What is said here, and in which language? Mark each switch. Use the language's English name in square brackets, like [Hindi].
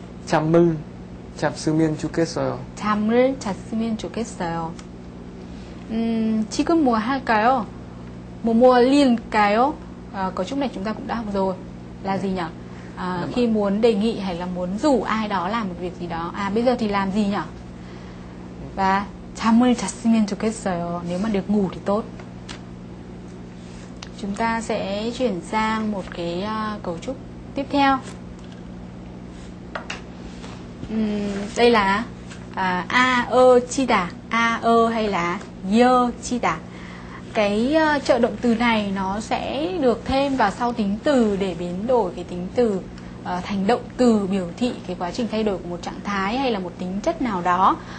[Korean] 잠을 잤으면 좋겠어요. 잠을 잤으면 좋겠어요. 지금 뭐 할까요? 뭐 뭐 할까요? [Vietnamese] Cấu trúc này chúng ta cũng đã học rồi. Là gì nhỉ? Khi muốn đề nghị hay là muốn rủ ai đó làm một việc gì đó. À bây giờ thì làm gì nhỉ? [Korean] Và 잠을 잤으면 좋겠어요. [Vietnamese] Nếu mà được ngủ thì tốt. Chúng ta sẽ chuyển sang một cái cấu trúc tiếp theo. Đây là a ơ chi đà, a ơ hay là yơ chi đà. Cái trợ động từ này nó sẽ được thêm vào sau tính từ để biến đổi cái tính từ thành động từ biểu thị cái quá trình thay đổi của một trạng thái hay là một tính chất nào đó.